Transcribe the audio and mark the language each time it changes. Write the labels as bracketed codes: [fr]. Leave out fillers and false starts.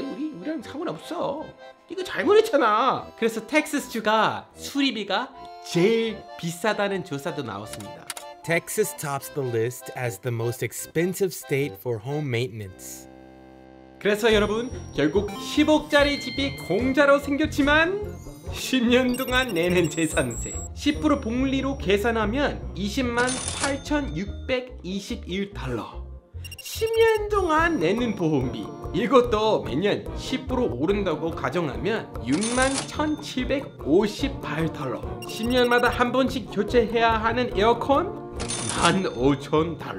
[ko] 우리랑 상관없어. 네가 잘못했잖아. 그래서 텍사스주가 수리비가 제일 비싸다는 조사도 나왔습니다. [en] Texas tops the list as the most expensive state for home maintenance. [ko] 그래서 여러분 결국 10억짜리 집이 공짜로 생겼지만 10년 동안 내는 재산세 10% 복리로 계산하면 $208,621 10년 동안 내는 보험비 이것도 매년 10% 오른다고 가정하면 $61,758 10년마다 한 번씩 교체해야 하는 에어컨 $15,000